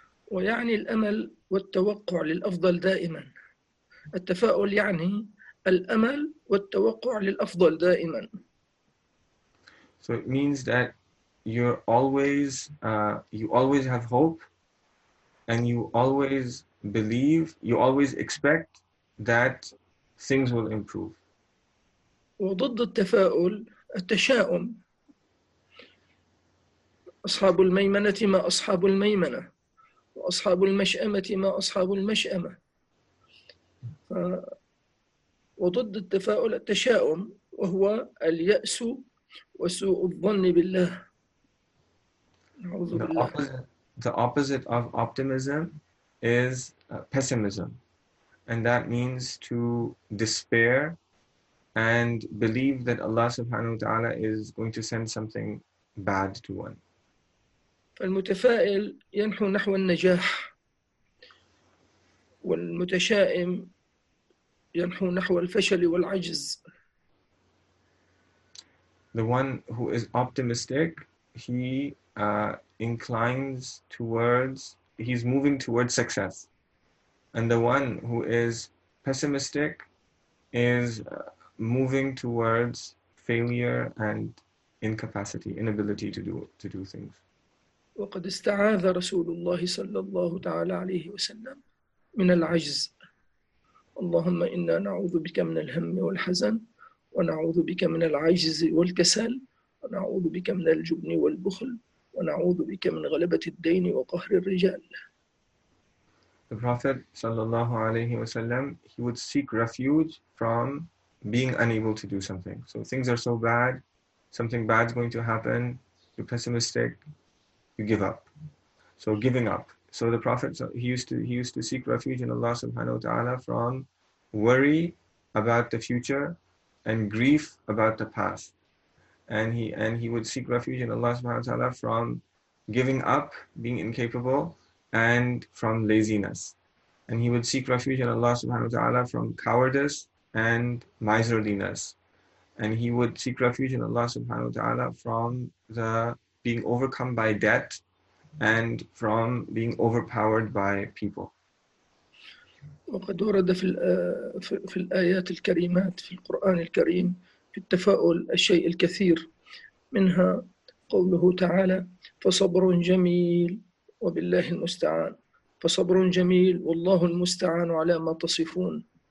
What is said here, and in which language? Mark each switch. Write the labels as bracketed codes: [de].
[ar] ويعني الأمل والتوقع للأفضل دائما. التفاؤل يعني الأمل والتوقع للأفضل دائما. [en] So it means that you're always, you always have hope and you always believe, you always expect that things will improve. [ar] وضد التفاؤل التشاؤم. أصحاب الميمنة ما أصحاب الميمنة وأصحاب المشأمة ما أصحاب المشأمة. وضد التفاؤل التشاؤم وهو اليأس وسوء الظن بالله. نعوذ بالله. [en] The opposite of optimism is pessimism, and that means to despair and believe that Allah subhanahu wa ta'ala is going to send something bad to one. [ar] فالمتفائل ينحو نحو النجاح والمتشائم ينحو نحو الفشل والعجز. [en] The one who is optimistic, he's moving towards success. And the one who is pessimistic is moving towards failure and incapacity, inability to do things. [ar] وقد استعاذ رسول الله صلى الله تعالى عليه وسلم من العجز اللهم إنا نعوذ بك من الهم والحزن، ونعوذ بك من العجز والكسل، ونعوذ بك من الجبن والبخل، ونعوذ بك من غلبة الدين وقهر الرجال. [en] The Prophet sallallahu alayhi wa sallam, he would seek refuge from being unable to do something. So things are so bad, something bad is going to happen, you're pessimistic, you give up. So giving up. So the Prophet, he used to seek refuge in Allah subhanahu wa ta'ala from worry about the future and grief about the past. And he would seek refuge in Allah subhanahu wa ta'ala from giving up, being incapable, and from laziness. And he would seek refuge in Allah subhanahu wa ta'ala from cowardice and miserliness. And he would seek refuge in Allah subhanahu wa ta'ala from the being overcome by debt and from being overpowered by people. [ar] وقد ورد في الآيات الكريمات في القرآن الكريم في التفاؤل الشيء الكثير، منها قوله تعالى فصبر جميل وبالله المستعان، فصبر جميل والله المستعان على ما تصفون.